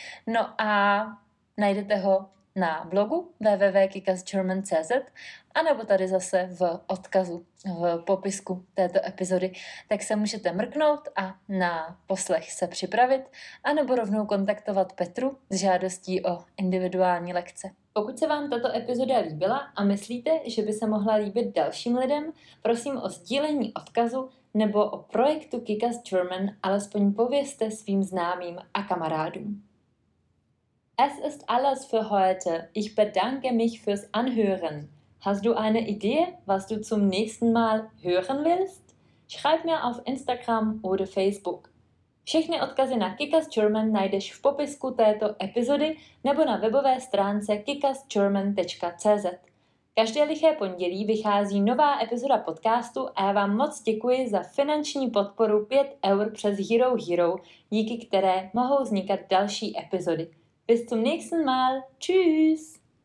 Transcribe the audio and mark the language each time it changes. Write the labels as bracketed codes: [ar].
[cs] No a najdete ho na blogu www.kikasgerman.cz a nebo tady zase v odkazu, v popisku této epizody, tak se můžete mrknout a na poslech se připravit a nebo rovnou kontaktovat Petru s žádostí o individuální lekce. Pokud se vám tato epizoda líbila a myslíte, že by se mohla líbit dalším lidem, prosím o sdílení odkazu nebo o projektu Kikas German alespoň povězte svým známým a kamarádům. [de] Es ist alles für heute. Ich bedanke mich fürs Anhören. Hast du eine Idee, was du zum nächsten Mal hören willst? Schreib mir auf Instagram oder Facebook. [cs] Všechny odkazy na Kikas German najdeš v popisku této epizody nebo na webové stránce kikasgerman.cz. Každé liché pondělí vychází nová epizoda podcastu a já vám moc děkuji za finanční podporu 5 eur přes Hero Hero, díky které mohou vznikat další epizody. [de] Bis zum nächsten Mal. Tschüss.